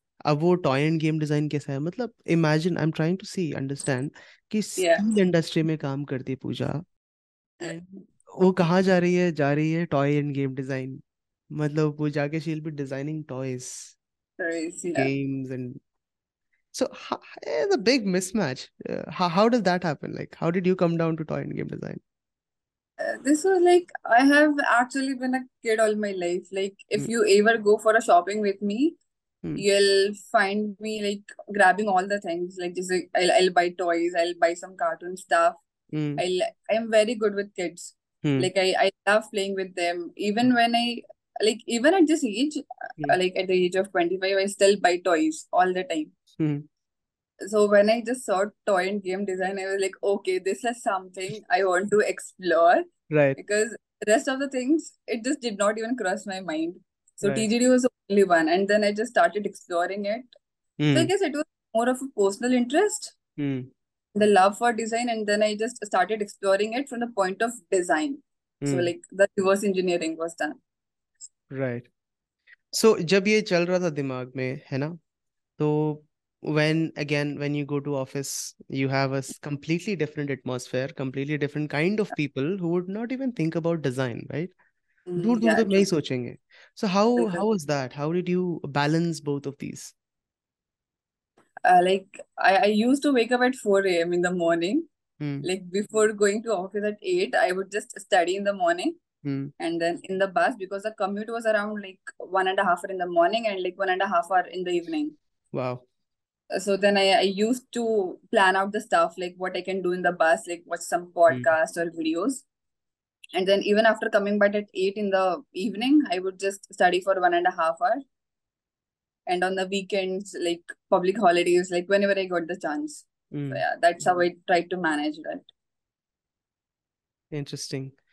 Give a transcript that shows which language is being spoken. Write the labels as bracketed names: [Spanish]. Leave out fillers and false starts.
[Hindi] अब वो toy end game design कैसा है, मतलब imagine, [English] I am trying to see understand [Hindi] कि स्टील इंडस्ट्री में काम करती पूजा, वो कहाँ जा रही है? जा रही है टॉय एंड गेम डिजाइन, मतलब पूजा के शील भी designing toys games [English] And so is a big mismatch. How does that happen, like how did you come down to toy and game design? This was like I have actually been a kid all my life. Like if you ever go for a shopping with me, you'll find me like grabbing all the things. Like just like I'll buy toys, I'll buy some cartoon stuff. I'm very good with kids. Like I love playing with them. Even when I like even at this age, like at the age of 25, I still buy toys all the time. So when I just saw toy and game design, I was like, okay, this is something I want to explore. Because rest of the things, it just did not even cross my mind. So TGD was the only one. And then I just started exploring it. So I guess it was more of a personal interest, the love for design. And then I just started exploring it from the point of design. So like the reverse engineering was done. [Hindi] सो जब ये चल रहा था दिमाग में, है ना, [English] तो when again when you go to office, you have a completely different atmosphere, completely different kind of people who would not even think about design, right? [Hindi] दूर दूर तक नहीं सोचेंगे. [English] So how how was that, how did you balance both of these? Like I use to wake up at 4 AM in the morning, like before going to office at 8, I would just study in the morning and then in the bus, because the commute was around like 1.5 hour in the morning and like 1.5 hour in the evening. Wow, so then I use to plan out the stuff like what I can do in the bus, like watch some podcast और videos. And then even after coming back at 8 in the evening, I would just study for 1.5 hour. And on the weekends, like public holidays, like whenever I got the chance. So yeah, that's how I tried to manage that. Interesting.